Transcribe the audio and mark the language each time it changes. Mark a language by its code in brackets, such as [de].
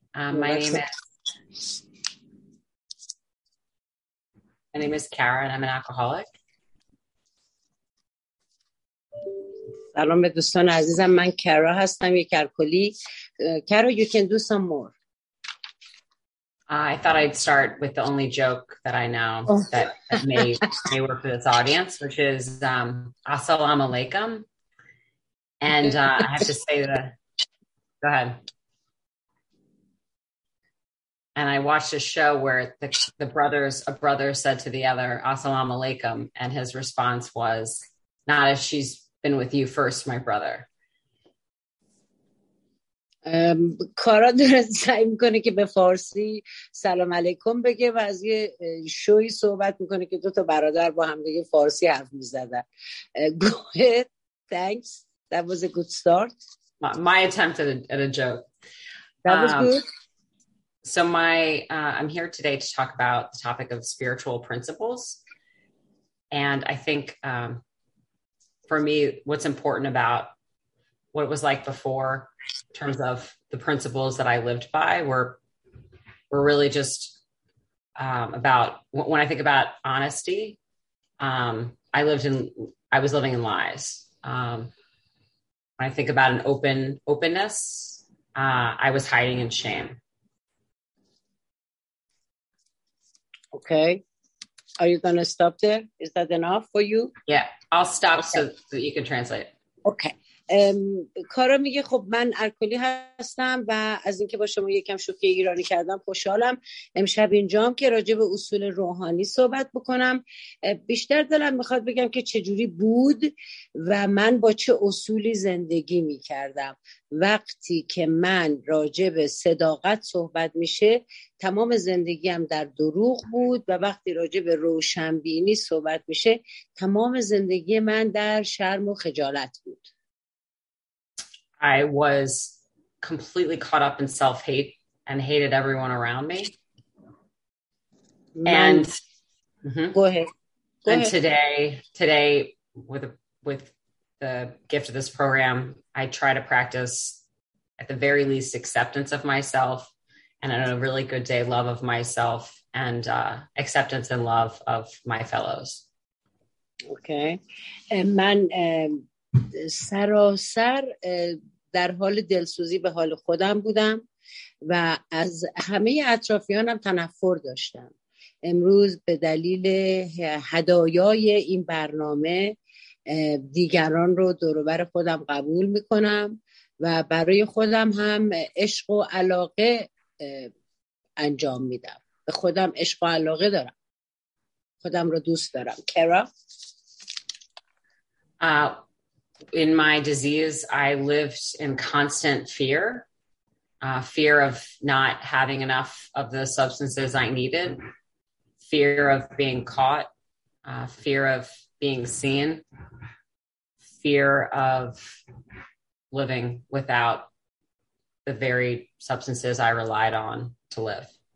[en] My name is Kara and I'm an alcoholic. [fa] سلام به دوستان عزیزم، من کارا هستم، یک الکلی. [en] Kara, you can do some more. I thought I'd start with the only joke that I know that may work for this audience, which is assalamu alaikum. And I have to say that, go ahead. And I watched a show where a brother said to the other, assalamu alaikum. And his response was, not if she's been with you first, my brother. [fa] کارا داره سعی میکنه که به فارسی سلام علیکم بگه و از یه شوی صحبت میکنه که دوتا برادر با هم دیگه فارسی حرف میزدن. [en] Go ahead. Thanks. That was a good start. My attempt at a joke. That was good. So I'm here today to talk about the topic of spiritual principles. And I think for me, what's important about what it was like before in terms of the principles that I lived by were really just about when I think about honesty, I was living in lies. When I think about an openness, I was hiding in shame. Okay. Are you going to stop there? Is that enough for you? Yeah, I'll stop okay. So that you can translate. Okay. [fa] کارا میگه خب من الکلی هستم و از اینکه با شما یکم شوخی ایرانی کردم خوشحالم. امشب اینجام که راجع به اصول روحانی صحبت بکنم. بیشتر دلم میخواد بگم که چجوری بود و من با چه اصولی زندگی میکردم. وقتی که من راجع به صداقت صحبت میشه، تمام زندگیم در دروغ بود، و وقتی راجع به روشنبینی صحبت میشه، تمام زندگی من در شرم و خجالت بود. [en] I was completely caught up in self-hate and hated everyone around me. And go ahead. Today with the gift of this program, I try to practice at the very least acceptance of myself, and on a really good day, love of myself and acceptance and love of my fellows. Okay. [fa] And man sarosar در حال دلسوزی به حال خودم بودم و از همه اطرافیانم تنفر داشتم. امروز به دلیل هدایای این برنامه دیگران رو دوروبر خودم قبول میکنم و برای خودم هم عشق و علاقه انجام میدم. به خودم عشق و علاقه دارم، خودم رو دوست دارم. کرا، [en] In my disease, I lived in constant fear, fear of not having enough of the substances I needed, fear of being caught, fear of being seen, fear of living without the very substances I relied on to live.